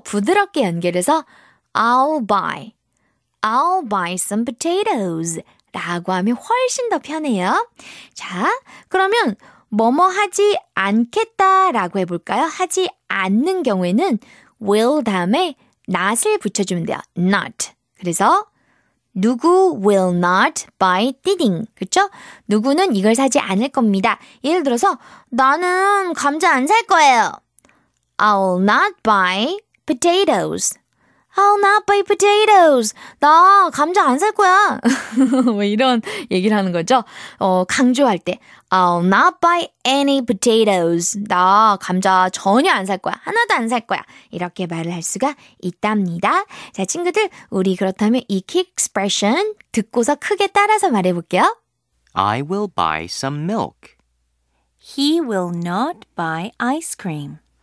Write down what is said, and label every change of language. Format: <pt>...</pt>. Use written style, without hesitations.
<ko>부드럽게 연결해서</ko> <en>I'll buy some potatoes</en> <ko>라고 하면 훨씬 더 편해요. 자, 그러면 뭐뭐 하지 않겠다 라고 해볼까요? 하지 않는 경우에는 will 다음에 not을 붙여주면 돼요.</ko> <en>not.</en> <ko>그래서 누구</ko> <en>will not buy thing.</en> <ko>그쵸? 누구는 이걸 사지 않을 겁니다. 예를 들어서 나는 감자 안 살 거예요.</ko> <en>I'll not buy potatoes. I'll not buy potatoes.</en> <ko>나 감자 안 살 거야. 뭐 이런 얘기를 하는 거죠.</ko> <en>강조할 때 I'll not buy any potatoes.</en> <ko>나 감자 전혀 안 살 거야. 하나도 안 살 거야. 이렇게 말을 할 수가 있답니다. 자, 친구들, 우리 그렇다면 이 key expression 듣고서 크게 따라서 말해볼게요.</ko> <en>I will buy some milk. He will not buy ice cream.</en>